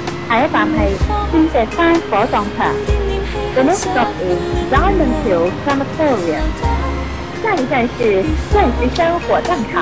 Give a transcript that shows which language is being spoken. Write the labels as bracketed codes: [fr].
[yue] 下一站是钻石山火葬场。 [en] The next stop is Diamond Hill Sanatorium. [yue] 下一站是钻石山火葬场。